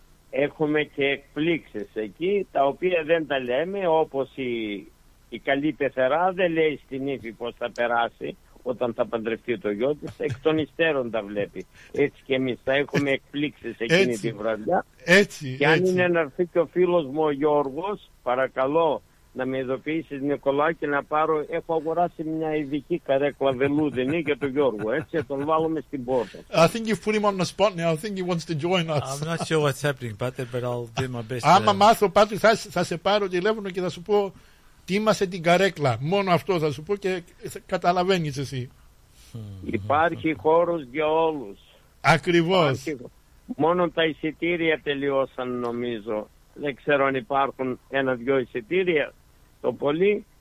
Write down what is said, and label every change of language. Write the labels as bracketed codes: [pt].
[el] Έχουμε και εκπλήξεις εκεί, τα οποία δεν τα λέμε, όπως η καλή πεθερά δεν λέει στην ύφη πώς θα περάσει όταν θα παντρευτεί το γιο της, εκ των υστέρων τα βλέπει. Έτσι και εμείς θα έχουμε εκπλήξεις εκείνη τη βραδιά. Έτσι, και αν έτσι. Είναι να έρθει και ο φίλος μου ο Γιώργος, παρακαλώ να με ειδοποιήσεις Νικολάκη να πάρω, έχω αγοράσει μια ειδική καρέκλα βελούδινη για τον Γιώργο, έτσι, τον βάλουμε στην πόρτα. [en] I think you've put him on the spot now, I think he wants to join us. I'm not sure what's happening, Pater, but I'll do my best. [el] Άμα μάθω, Πάτερ, θα σε πάρω τηλέφωνο και θα σου πω τι είμαστε την καρέκλα. Μόνο αυτό θα σου πω και καταλαβαίνεις εσύ. Υπάρχει χώρος για όλους. Ακριβώς. Υπάρχει. Μόνο τα εισιτήρια τελειώσαν νομίζω. Δεν ξέρω αν υπάρχουν ένα-δυο εισιτήρια, το πολύ.